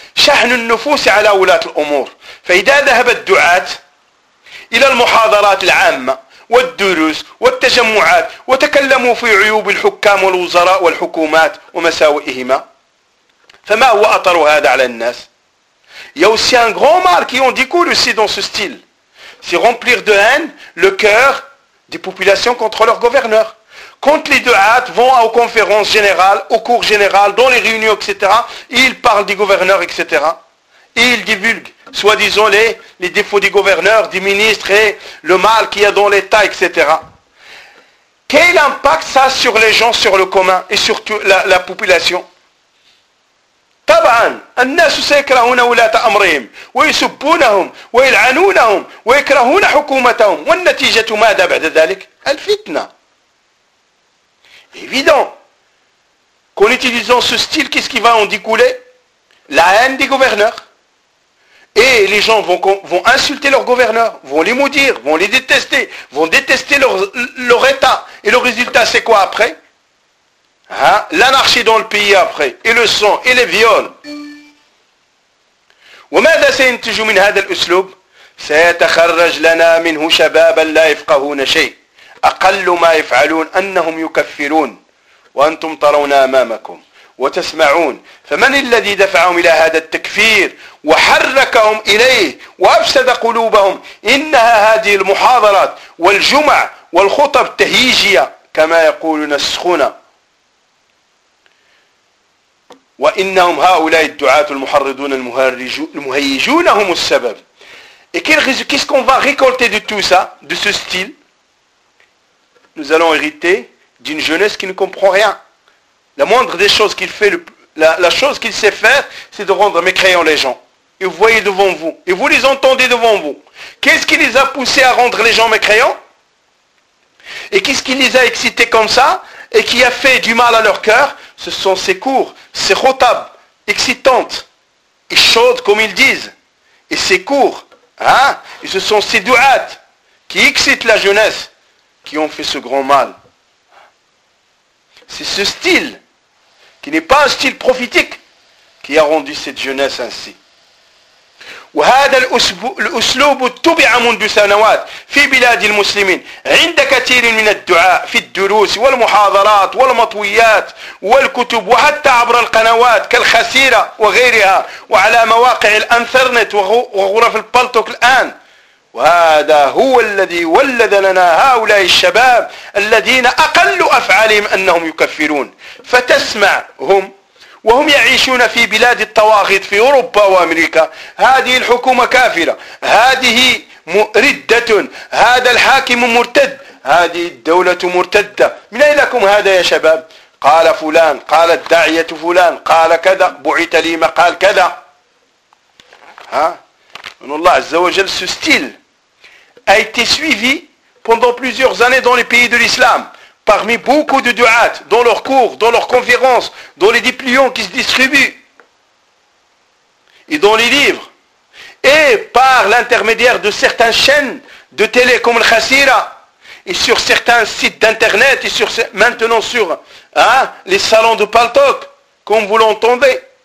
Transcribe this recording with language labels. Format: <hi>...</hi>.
<ar>شحن النفوس على ولاة الأمور. فإذا ذهب الدعاة إلى المحاضرات العامة والدروس والتجمعات وتكلموا في عيوب الحكام والوزراء والحكومات ومساوئهما فما هو أطر هذا على الناس.</ar> <fr>Il y a aussi un grand mal qui ont découlé aussi dans ce style. C'est remplir de haine le cœur des populations contre leurs gouverneurs. Quand les du'at vont aux conférences générales, aux cours générales, dans les réunions, etc., ils parlent des gouverneurs, etc. Et ils divulguent, soi-disant, les défauts des gouverneurs, des ministres et le mal qu'il y a dans l'État, etc. Quel impact ça a sur les gens, sur le commun et sur la population? طبعاً الناس سيكرهون ولاة أمرهم ويسبونهم ويلعنونهم ويكرهون حكومتهم والنتيجة ماذا بعد ذلك؟ الفتنة. Évident qu'en utilisant ce style, qu'est-ce qui va en découler? La haine des gouverneurs. Et les gens vont insulter leurs gouverneurs, vont les maudire, vont les détester, vont détester leur état. Et le résultat, c'est quoi après? Hein? L'anarchie dans le pays après, et le sang, et les viols.</fr> <ar>وماذا سينتج من هذا الأسلوب؟ سيتخرج لنا منه شبابا لا يفقهون شيء. أقل ما يفعلون أنهم يكفرون وأنتم ترون أمامكم وتسمعون. فمن الذي دفعهم إلى هذا التكفير وحركهم إليه وأفسد قلوبهم؟ إنها هذه المحاضرات والجمع والخطب تهيجية كما يقولون السخونة. وإنهم هؤلاء الدعاة المحرضون المهيجون هم السبب.</ar> <fr>Qu'est-ce qu'on va récolter de tout ça, de ce style? Nous allons hériter d'une jeunesse qui ne comprend rien. La moindre des choses qu'il fait, la chose qu'il sait faire, c'est de rendre mécréants les gens. Et vous voyez devant vous, et vous les entendez devant vous. Qu'est-ce qui les a poussés à rendre les gens mécréants? Et qu'est-ce qui les a excités comme ça? Et qui a fait du mal à leur cœur? Ce sont ces cours, ces rotables, excitantes et chaudes, comme ils disent. Et ces cours, hein? Et ce sont ces douates qui excitent la jeunesse, qui ont fait ce grand mal. C'est ce style, qui n'est pas un style prophétique, qui a rendu cette jeunesse ainsi.</fr> <ar>وهذا الأسلوب تبع منذ سنوات في بلاد المسلمين عند كثير من الدعاء في الدروس والمحاضرات والمطويات والكتب وحتى عبر القنوات كالخسيرة وغيرها وعلى مواقع الانترنت وغرف البلطوك الآن. وهذا هو الذي ولد لنا هؤلاء الشباب الذين أقل أفعالهم أنهم يكفرون. فتسمعهم وهم يعيشون في بلاد الطواغيت في أوروبا وأمريكا. هذه الحكومة كافرة، هذه مردة، هذا الحاكم مرتد، هذه الدولة مرتدة. من أين لكم هذا يا شباب؟ قال فلان، قال الداعية فلان، قال كذا، بعث لي مقال كذا. ها؟ من الله عز وجل</ar> <fr>ce style a été suivi pendant plusieurs années dans les pays de l'islam. Parmi beaucoup de du'at, dans leurs cours, dans leurs conférences, dans les diplômes qui se distribuent, et dans les livres, et par l'intermédiaire de certaines chaînes de télé comme le Khassira, et sur certains sites d'internet, et sur, maintenant sur hein, les salons de Paltok, comme vous l'entendez.</fr>